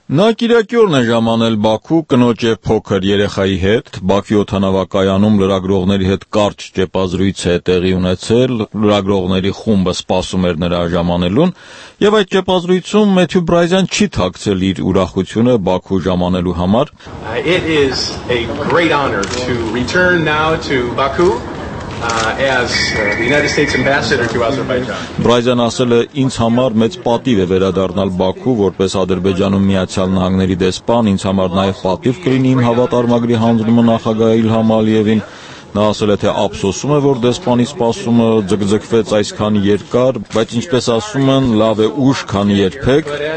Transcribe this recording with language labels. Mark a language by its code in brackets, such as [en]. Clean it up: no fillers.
[hy] Նա կիրակի օրն է ժամանել Բաքու կնոջ եւ փոքր երեխայի հետ, Բաքվի օդանավակայանում լրագրողների հետ կարճ ճեպազրույց է տեղի ունեցել, լրագրողների խումբը սպասում էր նրա ժամանելուն, եւ այդ ճեպազրույցում Մեթյու Բրայզան չի թաքցել իր ուրախությունը Բաքու ժամանելու համար։ [en] It is a great honor to return now to Baku. As the United States ambassador to Azerbaijan. [hy] Բրայզան ասել է, ինձ համար մեծ պատիվ է վերադառնալ Բաքու որպես Ադրբեջանում Միացյալ Նահանգների դեսպան, ինձ համար նաև պատիվ կլինի իմ հավատարմագրի հանձնումը նախագահ Իլհամ Ալիևին։ Նա ասել է, թե ափսոսում է, որ դեսպանի սպասումը ձգձգվեց այսքան երկար, բայց ինչպես ասում են, լավ է ուշ, քան երբեք։